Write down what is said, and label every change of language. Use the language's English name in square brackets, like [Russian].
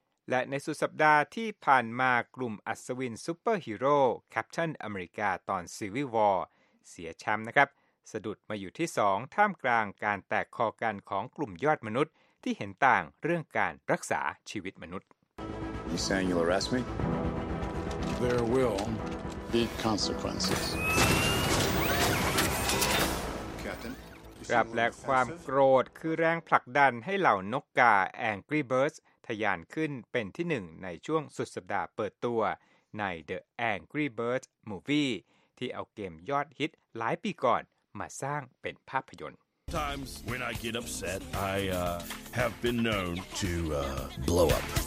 [Thai] และในสุดสัปดาห์ที่ผ่านมากลุ่มอัศวินซูเปอร์ฮีโร่ Captain America ตอน Civil War เสียแชมป์นะครับสะดุดมาอยู่ที่2ท่ามกลางการแตกคอกันของกลุ่มยอดมนุษย์ที่เห็นต่างเรื่องการรักษาชีวิตมนุษย์ [English] You saying you'll arrest me? There will be consequences. Captain. [Thai] ครับและความโกรธคือแรงผลักดันให้เหล่านกกา Angry Birds ทะยานขึ้นเป็นที่หนึ่งในช่วงสุดสัปดาห์เปิดตัวใน The Angry Birds Movie ที่เอาเกมยอดฮิตหลายปีก่อนมาสร้างเป็นภาพยนตร์ [English] Sometimes when I get upset, I have been known to blow up.